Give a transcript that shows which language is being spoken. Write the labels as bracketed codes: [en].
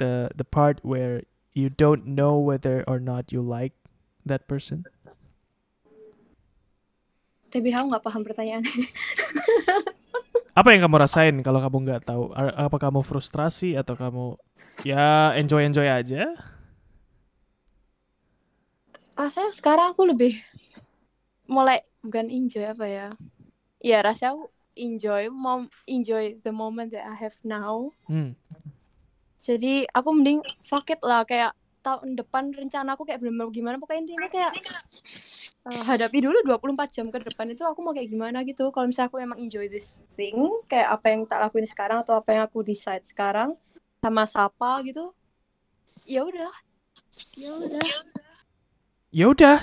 [en] The part where you don't know whether or not you like that person?" [id] Tapi aku nggak paham pertanyaannya. Apa yang kamu rasain kalau kamu nggak tahu? Apa kamu frustrasi atau kamu ya enjoy aja? Rasanya sekarang aku lebih mulai bukan enjoy apa ya? Ya rasanya aku [en] enjoy the moment that I have now. [id] Jadi aku mending fuck it lah, kayak tahun depan rencana aku kayak belum gimana, pokoknya intinya kayak hadapi dulu 24 jam ke depan itu aku mau kayak gimana gitu. Kalau misalnya aku emang [en] enjoy this thing, [id] kayak apa yang tak lakuin sekarang atau apa yang aku decide sekarang sama siapa gitu, ya udah